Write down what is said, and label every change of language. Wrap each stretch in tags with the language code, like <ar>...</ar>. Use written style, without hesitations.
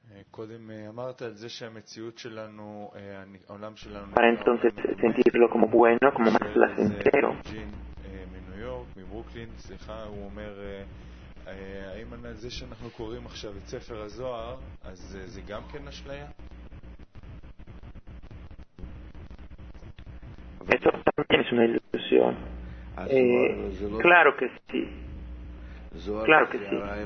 <he>קודם אמרת על זה שהמציאות שלנו, העולם שלנו...</he> <es>Para entonces sentirlo como bueno, como más placentero.</es> <he>ג'ין מניו יורק, מברוקלין, סליחה, הוא אומר, האם על זה שאנחנו קוראים עכשיו את ספר הזוהר, אז זה גם כן אשליה?</he> <es>Eso también es una ilusión. Claro que sí. Claro que sí.</es>